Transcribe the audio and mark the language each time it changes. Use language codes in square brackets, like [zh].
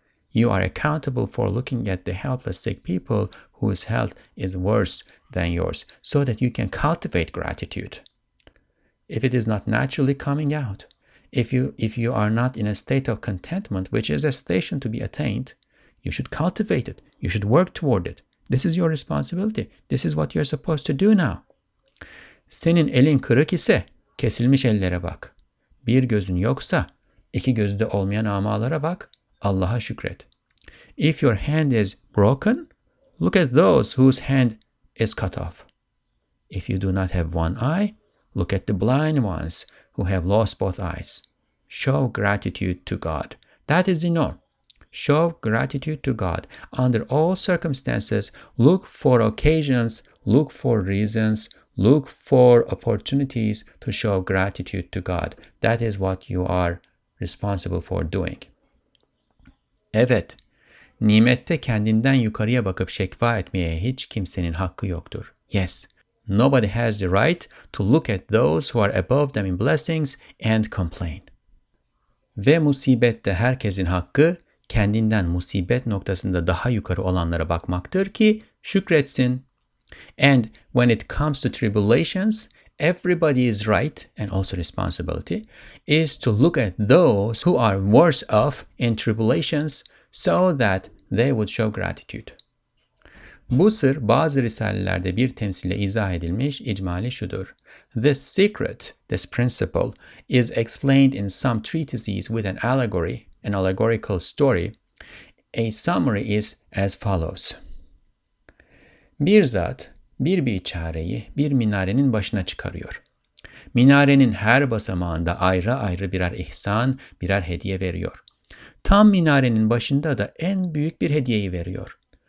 [en] You are accountable for looking at the helpless sick people whose health is worse than yours, so that you can cultivate gratitude. If it is not naturally coming out, if you are not in a state of contentment, which is a station to be attained, you should cultivate it. You should work toward it. This is your responsibility. This is what you're supposed to do now. [tr] Senin elin kırık ise kesilmiş ellere bak. Bir gözün yoksa iki gözde olmayan amalara bak. Allah'a şükret. [en] If your hand is broken, look at those whose hand is cut off. If you do not have one eye, look at the blind ones who have lost both eyes. Show gratitude to God. That is the norm. Show gratitude to God. Under all circumstances, look for occasions, look for reasons, look for opportunities to show gratitude to God. That is what you are responsible for doing. [tr] Evet, nimette kendinden yukarıya bakıp şekva etmeye hiç kimsenin hakkı yoktur. [en] Yes, nobody has the right to look at those who are above them in blessings and complain. [tr] Ve musibette herkesin hakkı kendinden musibet noktasında daha yukarı olanlara bakmaktır ki şükretsin. [en] And when it comes to tribulations, everybody's right and also responsibility is to look at those who are worse off in tribulations so that they would show gratitude. [tr] Bu sır bazı risalelerde bir temsille izah edilmiş icmali şudur. [en] This secret, this principle, is explained in some treatises with an allegory, an allegorical story. A summary is as follows. [tr] Bir zat bir biçareyi bir minarenin başına çıkarıyor. Minarenin her basamağında ayrı ayrı birer ihsan, birer hediye veriyor. Tam minarenin başında da en büyük bir hediyeyi veriyor.